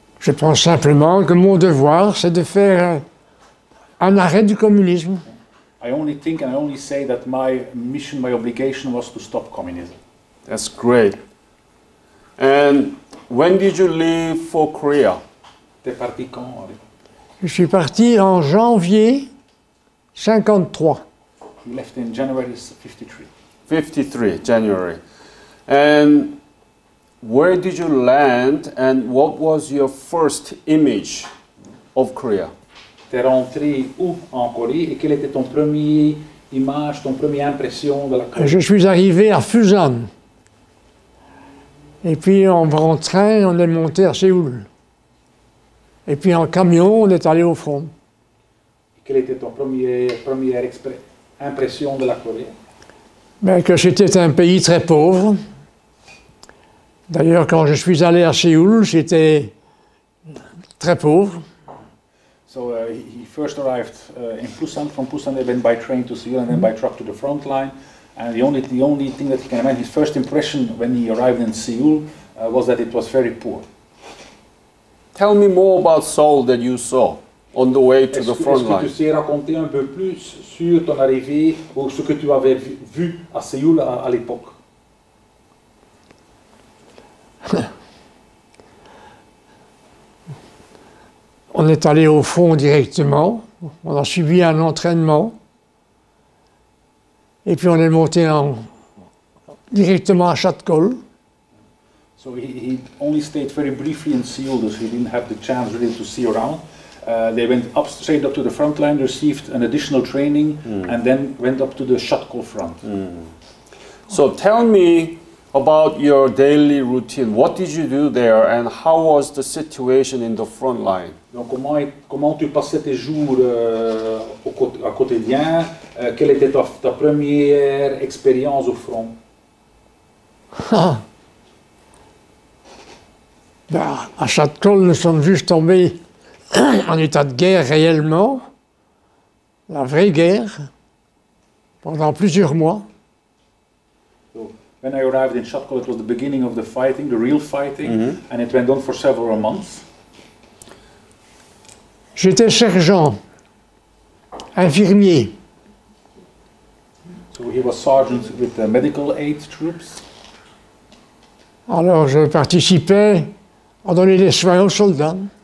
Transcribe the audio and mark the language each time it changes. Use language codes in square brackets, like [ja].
[fr] Je pense simplement que mon devoir, c'est de faire un arrêt du communisme. [en] I only think and I only say that my mission, my obligation was to stop communism. That's great. And when did you leave for Korea? [fr] T'es parti quand, Henri? Je suis parti en janvier 53. [en] You left in January 53. 53, January. And where did you land and what was your first image of Korea? [fr] T'es rentré où en Corée et quelle était ton premier image, ton première impression de la Corée? Je suis arrivé à Fusan. Et puis en train, on est monté à Séoul. Et puis en camion, on est allé au front. Et quelle était ton première impression de la Corée? Mais que c'était un pays très pauvre. D'ailleurs, quand je suis allé à Séoul, j'étais très pauvre. [en] So he first arrived in Busan. From Busan, they went by train to Seoul and then by truck to the front line. And the only thing that he can imagine, his first impression when he arrived in Seoul was that it was very poor. Tell me more about Seoul that you saw on the way to the front line. [fr] Est-ce que tu sais raconter un peu plus sur ton arrivée ou ce que tu avais vu à Séoul à l'époque? On est allé au front directement, on a subi un entraînement, et puis on est monté directement à Chatkol. [en] So he only stayed very briefly in Seoul, so he didn't have the chance really to see around. They went up straight up to the front line, received an additional training, and then went up to the Chatkol front. Mm. So tell me about your daily routine. What did you do there and how was the situation in the front line? [fr] Donc comment tu passais tes jours au quotidien? Quelle était ta première expérience au front? Ben, à Chatkol, nous sommes juste tombés en état de guerre réellement, la vraie guerre, pendant plusieurs mois. [en] When I arrived in Chatkol, it was the beginning of the fighting, the real fighting, and it went on for several months. [fr] J'étais sergent, infirmier. [en] So he was sergeant with the medical aid troops. [fr] Alors je participais à donner des soins aux soldats.